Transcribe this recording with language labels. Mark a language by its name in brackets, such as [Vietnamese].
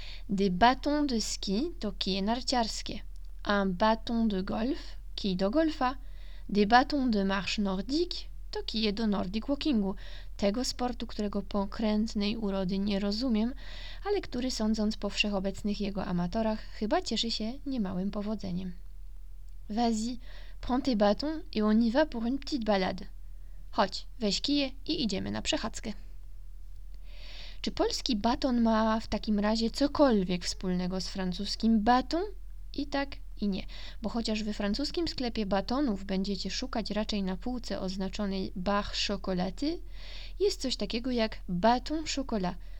[French] Des batons de ski, [Polish] to kije narciarskie. [French] Un baton de golf, [Polish] kij do golfa. [French] Des batons de marche nordique, [Polish] to kije do nordic walkingu. Tego sportu, którego pokrętnej urody nie rozumiem, ale który sądząc po wszechobecnych jego amatorach, chyba cieszy się niemałym powodzeniem. [French] Vas-y, prends tes bâtons et on y va pour une petite balade. [Polish] Chodź, weź kije i idziemy na przechadzkę. Czy polski baton ma w takim razie cokolwiek wspólnego z francuskim baton? I tak, i nie. Bo chociaż we francuskim sklepie batonów będziecie szukać raczej na półce oznaczonej Bach Chocolaty, jest coś takiego jak baton chocolat.